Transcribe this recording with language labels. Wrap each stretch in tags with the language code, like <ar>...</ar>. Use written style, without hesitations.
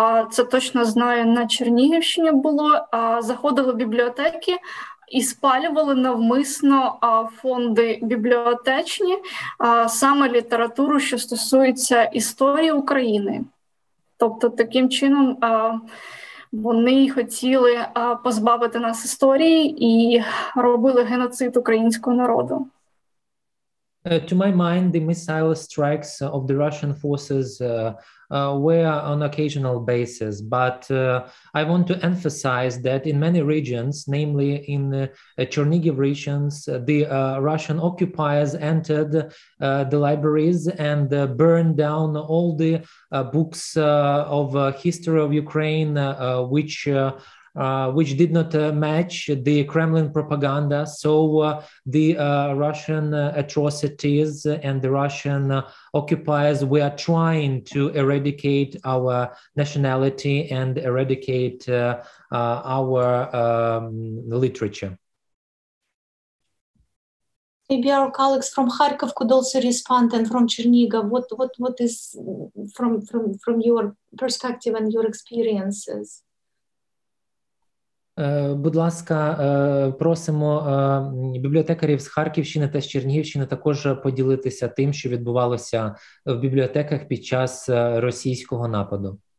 <uk>Це точно знаю, на Чернігівщині було. Заходили в бібліотеки і спалювали навмисно фонди бібліотечні, саме літературу, що стосується історії України. Тобто таким чином вони хотіли позбавити нас історії і робили геноцид українського народу.</uk> <en>To my mind, the missile strikes of the Russian forces were on occasional basis, but I want to emphasize that in many regions, namely in Chernigiv regions, the Russian occupiers entered the libraries and burned down all the books of history of Ukraine, which which did not match the Kremlin propaganda. So the Russian atrocities and the Russian occupiers were trying to eradicate our nationality and eradicate our literature. Maybe our colleagues from Kharkov could also respond, and from Chernigov, what is from your perspective and your experiences?</en> <uk>Будь ласка, просимо бібліотекарів з Харківщини та з Чернігівщини також поділитися тим, що відбувалося в бібліотеках під час російського нападу.</uk>